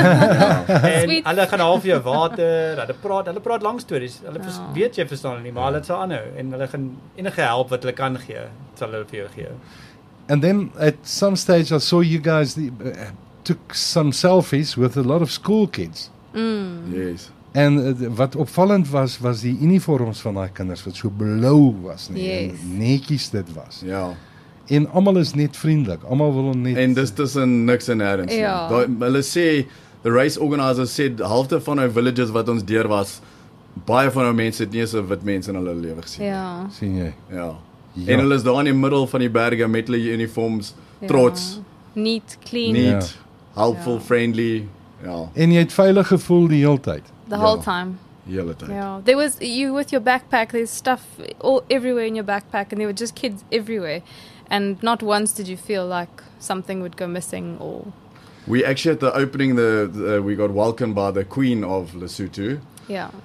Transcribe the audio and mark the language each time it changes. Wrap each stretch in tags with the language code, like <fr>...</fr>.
<af>En hulle gaan half jou water, hulle praat lang stories, hulle weet jy verstaan nie, maar hulle sal aanhou, en hulle gaan enige help wat hulle kan gee, sal hulle vir jou gee.</af> <en>And then at some stage I saw you guys took some selfies with a lot of school kids. Yes.</en> <af>En wat opvallend was, was die uniforms van die kinders, wat so blauw was nie, netjies dit was. Ja. Yeah. En almal is net vriendelik. Almal wil net... En dis tussen niks en ergens. Ja. Hulle sê,</af> <en>the race organizers said,</en> <af>halfte van hulle villages wat ons deur was, baie van hulle mense het nie eens 'n wit mens in hulle lewe gesien. Ja. Sien jy? Ja. En hulle is daar in die middel van die berge met hulle uniforms, trots.</af> <en>Neat, clean. Neat, helpful, friendly. Ja.</en> <af>En jy het veilig gevoel die hele tyd.</af> <en>The whole time.</en> <af>Hele tyd. Ja.</af> <en>There was, you with your backpack, there's stuff all everywhere in your backpack, and there were just kids everywhere. And not once did you feel like something would go missing or... We actually, at the opening, we got welcomed by the Queen of Lesotho. Yeah.</en>